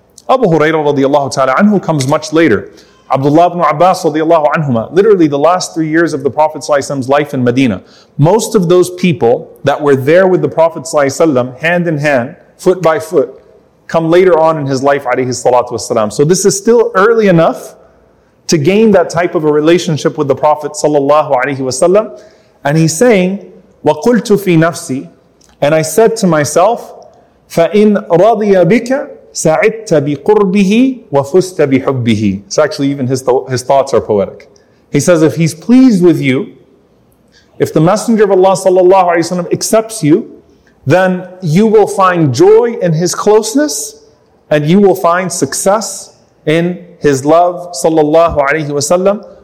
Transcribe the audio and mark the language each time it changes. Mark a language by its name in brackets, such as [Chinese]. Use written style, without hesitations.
[English] Abu Hurairah radiallahu ta'ala anhu comes much later. Abdullah ibn Abbas radiallahu anhuma, literally the last 3 years of the Prophet ﷺ's life in Medina. Most of those people that were there with the Prophet ﷺ, hand in hand, foot by foot, come later on in his life, alayhi salatu wasalam. So this is still early enough to gain that type of a relationship with the Prophet ﷺ. And he's saying, [Arabic] وَقُلْتُ فِي نَفْسِي, [English] and I said to myself, [Arabic] فَإِنْ رَضِيَ بِكَ سَعِدْتَ بِقُرْبِهِ وَفُسْتَ بِحُبِّهِ. [English] It's actually even his thoughts are poetic. He says, if he's pleased with you, if the Messenger of Allah sallallahu alayhi wa sallam accepts you, then you will find joy in his closeness and you will find success in his love sallallahu alayhi wa sallam.